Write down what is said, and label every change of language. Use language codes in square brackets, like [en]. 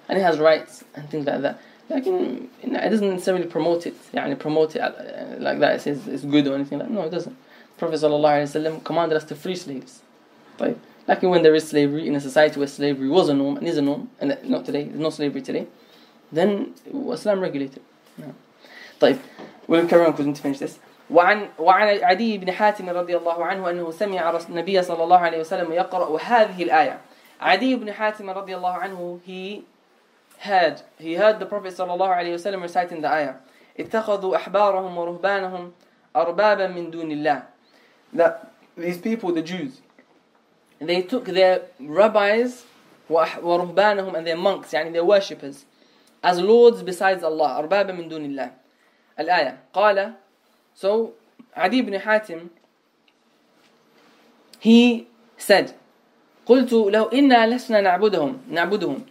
[en] And it has rights and things like that. It doesn't necessarily promote it like that. It says it's good or anything like that. No, it doesn't. The Prophet sallallahu alaihi wasallam commanded us to free slaves. طيب. Like when there is slavery in a society where slavery was a norm and is a norm, and not today, there's no slavery today, then Islam regulated. [ar] طيب. [en] We'll carry on because we need to finish this. [ar] وعن عدي بن حاتم رضي الله عنه أنه سمع النبي صلى الله عليه وسلم يقرأ هذه الآية. [en] عدي بن حاتم رضي الله عنه, he heard the Prophet صلى الله عليه وسلم reciting the ayah. [ar] اتخذوا أحبارهم ورهبانهم أربابا من دون الله. [en] That these people, the Jews, they took their rabbis ورهبانهم and their monks, their worshippers, as lords besides Allah. [ar] أربابا من دون الله. الآية قال. [en] So, Adi ibn Hatim, he said, [ar] قُلْتُ لَوْ إِنَّا لَسْنَا نَعْبُدُهُمْ.